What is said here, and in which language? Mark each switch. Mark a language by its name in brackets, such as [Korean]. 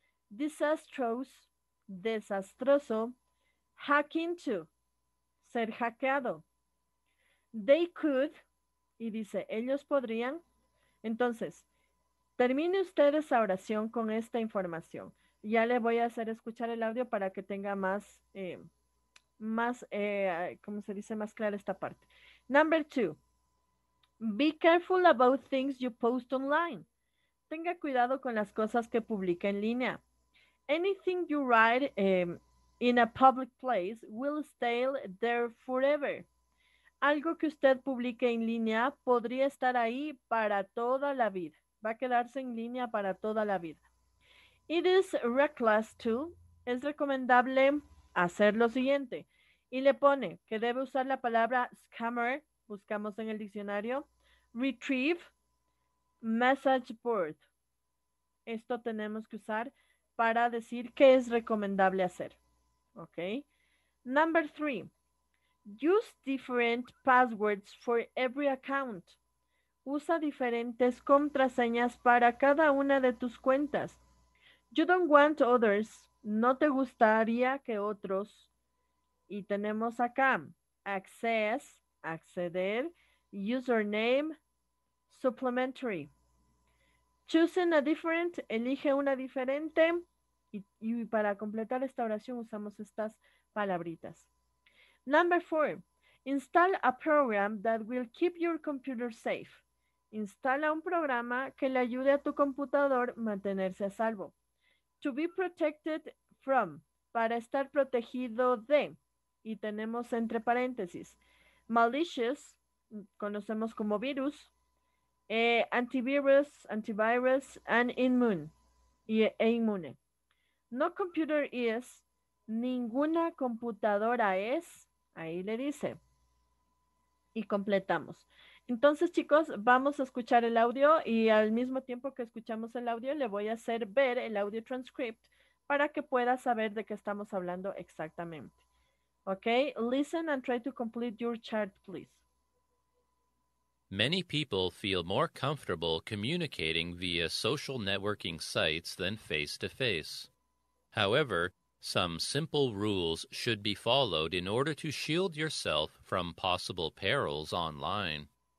[English] Disastrous, desastroso. Hack into, ser hackeado. They could, [Spanish] y dice, ellos podrían. Entonces, termine usted esa oración con esta información. Ya le voy a hacer escuchar el audio para que tenga más, ¿cómo se dice? Más clara esta parte. [English] Number two, be careful about things you post online. [Spanish] Tenga cuidado con las cosas que publica en línea. [English] Anything you write in a public place will stay there forever. [Spanish] Algo que usted publique en línea podría estar ahí para toda la vida. Va a quedarse en línea para toda la vida. [English] It is reckless too. [Spanish] Es recomendable hacer lo siguiente. Y le pone que debe usar la palabra scammer, buscamos en el diccionario, retrieve, message board. Esto tenemos que usar para decir qué es recomendable hacer. Ok. [English] Number three, use different passwords for every account. [Spanish] Usa diferentes contraseñas para cada una de tus cuentas. [English] You don't want others, [Spanish] no te gustaría que otros. Y tenemos acá, access, acceder, username, supplementary. [English] Choosing a different, [Spanish] elige una diferente. Y para completar esta oración usamos estas palabritas. [English] Number four, install a program that will keep your computer safe. [Spanish] Instala un programa que le ayude a tu computador a mantenerse a salvo. [English] To be protected from, [Spanish] para estar protegido de. Y tenemos entre paréntesis, malicious, conocemos como virus, antivirus, and inmune, e inmune. [English] No computer is, [Spanish] ninguna computadora es, ahí le dice. Y completamos. Entonces, chicos, vamos a escuchar el audio y al mismo tiempo que escuchamos el audio, le voy a hacer ver el audio transcript para que pueda saber de qué estamos hablando exactamente. [English] Okay, listen and try to complete your chart, please. Many people feel more comfortable communicating via social networking sites than face-to-face. However, some simple rules should be followed in order to shield yourself from possible perils online.